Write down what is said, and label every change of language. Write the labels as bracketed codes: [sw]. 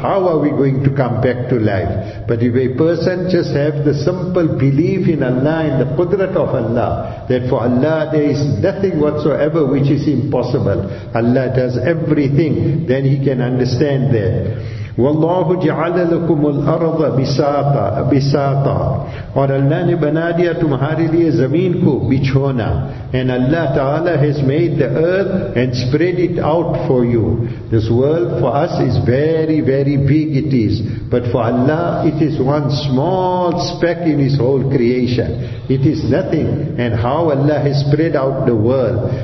[en] How are we going to come back to life? But if a person just have the simple belief in Allah, in the qudrat of Allah, that for Allah there is nothing whatsoever which is impossible. Allah does everything, then he can understand that. [ar] وَاللَّهُ جَعَلَ لَكُمُ الْأَرْضَ بِسَاطًا. [ur] اور اللہ نے بنا دیا تمہارے لئے زمین کو بچھونا. [en] And Allah Ta'ala has made the earth and spread it out for you. This world for us is very, very big it is. But for Allah, it is one small speck in His whole creation. It is nothing. And how Allah has spread out the world.